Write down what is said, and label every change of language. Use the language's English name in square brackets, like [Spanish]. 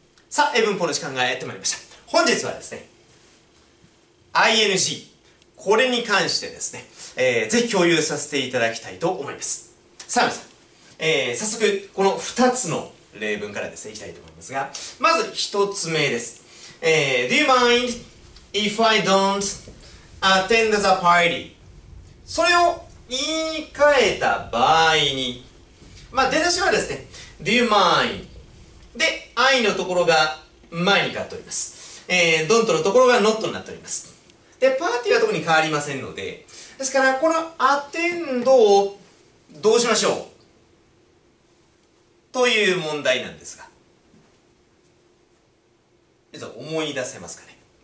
[Japanese] さあ、英文法の時間がやってまいりました。本日はですね、ING、これに関してですね、ぜひ共有させていただきたいと思います。さあ、皆さん、早速、この2つの例文からですね、いきたいと思いますが、まず1つ目です。 [English] Do you mind if I don't attend the party? [Japanese] それを言い換えた場合に、まあ、出だしはですね、 Do you mind? で、I のところが前に変わっております。don't のところが not になっております。で、party は特に変わりませんので、ですから、この attend をどうしましょうという問題なんですが、皆さん思い出せますかね。